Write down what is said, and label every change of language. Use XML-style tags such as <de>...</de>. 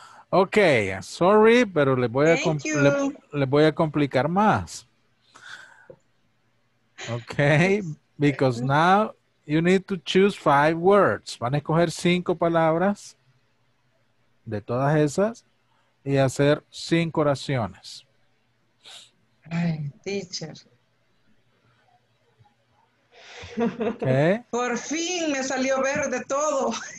<es>Okay, sorry, pero le voy a complicar más.</es> <en>Okay, because now you need to choose five words.</en> <es>Van a escoger cinco palabras de todas esas y hacer cinco oraciones.</es> <en>Ay, teacher. Okay.</en> <es>Por fin me salió verde todo.</es>